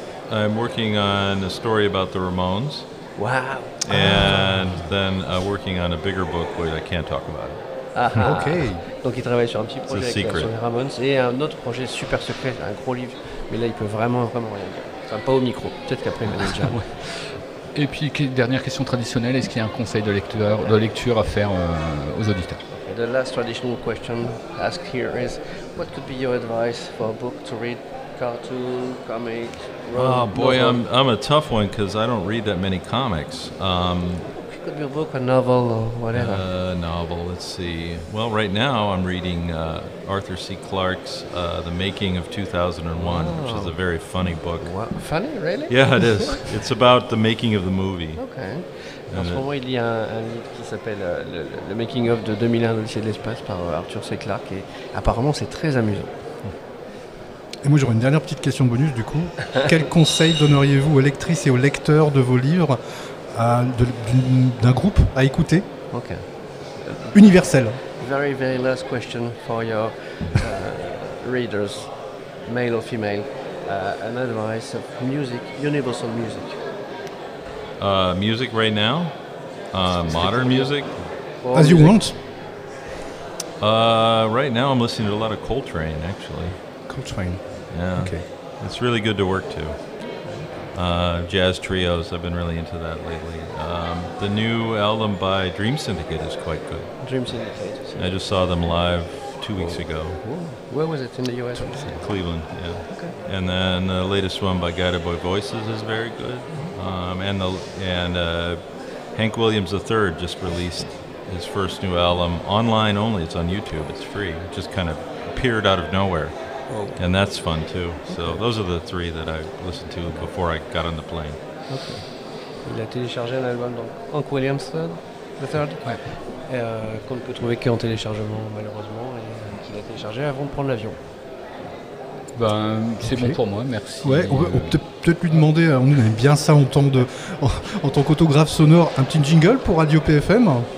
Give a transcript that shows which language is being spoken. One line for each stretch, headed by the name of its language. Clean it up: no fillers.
English: I'm working on a story about the Ramones. Wow. And then working on a bigger book, but I can't talk about it. Aha. Okay.
French: Donc il travaille sur un petit projet sur les Ramones et un autre projet super secret, un gros livre. Mais là, il peut vraiment, vraiment rien dire. Enfin, pas au micro. Peut-être qu'après, il va déjà. Ouais. Et puis, dernière question traditionnelle, est-ce qu'il y a un conseil de lecture à faire aux auditeurs?
English: The last traditional question asked here is, what could be your advice for a book to read, cartoon, comic, novel? I'm a tough one because I don't read that many comics. could be a book, a novel, or whatever. A novel, let's see. Well, right now I'm reading Arthur C. Clarke's The Making of 2001, oh. Which is a very funny book. What? Funny, really? Yeah, it is. It's about the making of the movie. Okay. And
French: en ce moment, il y a un livre qui s'appelle Le Making of de 2001, l'Odyssée de l'espace, par Arthur C. Clarke, et apparemment c'est très amusant. Et moi, j'aurais une dernière petite question bonus, du coup. Quel conseil donneriez-vous aux lectrices et aux lecteurs de vos livres d'un groupe à écouter? Ok. Universel.
English: Very, very last question for your readers, male or female. An advice of music, universal music. Music right now? Modern music? As you want. Right now, I'm listening to a lot of Coltrane, actually. Coltrane. Yeah, okay. It's really good to work to. Jazz trios, I've been really into that lately. The new album by Dream Syndicate is quite good. Dream Syndicate. I just saw them live 2 weeks ago. Whoa. Where was it, in the U.S.? Cleveland, yeah. Okay. And then the latest one by Guided Boy Voices is very good. And Hank Williams III just released his first new album online only. It's on YouTube. It's free. It just kind of appeared out of nowhere. Oh. And that's fun too. Okay. So those are the three that I listened to before I got on the plane. Okay.
French: Il a téléchargé un album donc Hank Williams III. Ouais. Qu'on ne peut trouver qu'en téléchargement malheureusement et qu'il a téléchargé avant de prendre l'avion. Ben c'est okay. Bon pour moi, merci. Ouais, on peut-être lui demander. On aime bien ça en tant qu'autographe sonore, un petit jingle pour Radio PFM.